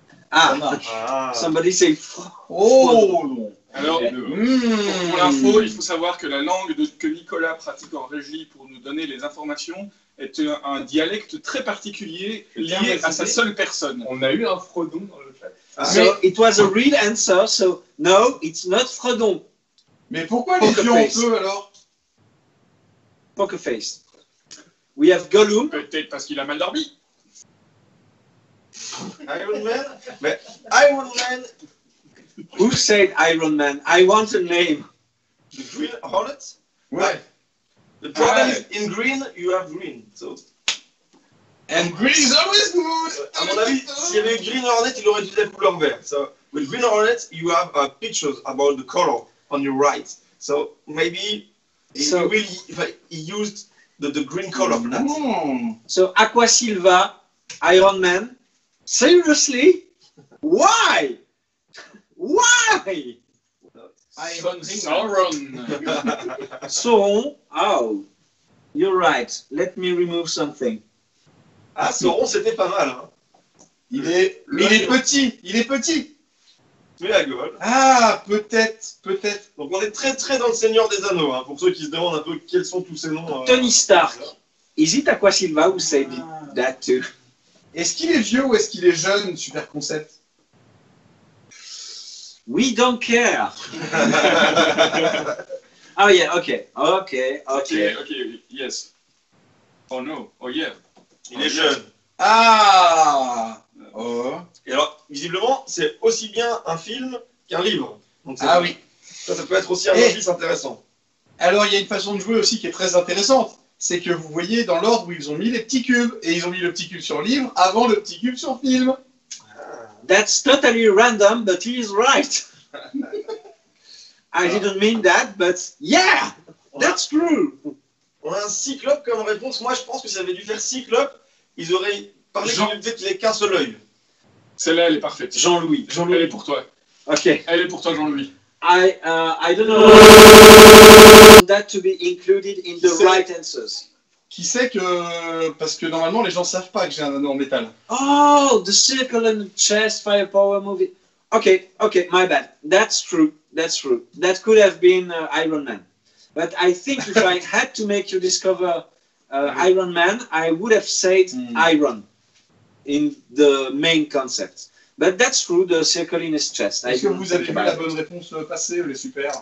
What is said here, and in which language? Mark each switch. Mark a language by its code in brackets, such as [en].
[en] Ah, somebody say Frodon. [fr] Alors, pour l'info, il faut savoir que la langue que Nicolas pratique en régie pour nous donner les informations est un dialecte très particulier lié à sa seule personne. On a eu un Frodon dans le chat. Ah. [en] It was a real answer, so no, it's not Frodon. [fr] Mais pourquoi les lions on peut alors? [en] Poker face. We have Gollum. [fr] Peut-être parce qu'il a mal dormi. Iron Man. Mais Iron Man. [en] Who said Iron Man? I want a name. The Green Hornet? [fr] Ouais. [en] The problem is in green, you have green. So. And green is always good! [fr] À mon avis, s'il y avait Green Hornet, il aurait dû être couleur verte. [en] So, with Green Hornet, you have pictures about the color on your right. So, maybe so, he really he used the green color. So, Aqua Silva, Iron Man. Seriously? Why? Why? Sauron. Sauron. Oh, you're right. Let me remove something. [fr] Ah, Sauron, c'était pas mal. Hein. Il est petit. Mais la gueule. Ah, peut-être. Donc on est très très dans le Seigneur des Anneaux, hein, pour ceux qui se demandent un peu quels sont tous ces noms. Tony Stark. [en] Is it Aqua Silva who said that too? [fr] Est-ce qu'il est vieux ou est-ce qu'il est jeune, super concept? [en] We don't care. Oh yeah, okay. Okay, yes. Oh no, oh yeah. [fr] Il est jeune. Ah. Oh. Et alors, visiblement, c'est aussi bien un film qu'un livre. Donc, ah oui. Ça peut être aussi un indice intéressant. Alors, il y a une façon de jouer aussi qui est très intéressante. C'est que vous voyez dans l'ordre où ils ont mis les petits cubes. Et ils ont mis le petit cube sur livre avant le petit cube sur film. [en] That's totally random, but he is right. I didn't mean that, but yeah, that's true. [fr] On a un cyclope comme réponse. Moi, je pense que si ça avait dû faire cyclope, ils auraient parlé du fait qu'il n'ait qu'un seul œil. Celle-là, elle est parfaite. Jean-Louis. Jean-Louis. Elle est pour toi. Ok. Elle est pour toi, Jean-Louis. [en] I don't know that to be included in the right answers. [fr] Qui sait que... Parce que normalement, les gens ne savent pas que j'ai un anneau en métal. [en] Oh, the circle and the chest firepower movie. Ok, my bad. That's true. That could have been Iron Man. But I think if I had to make you discover Iron Man, I would have said Iron in the main concept. But that's true, the circle in his chest. [fr] Est-ce que vous avez vu la bonne réponse passée, les super?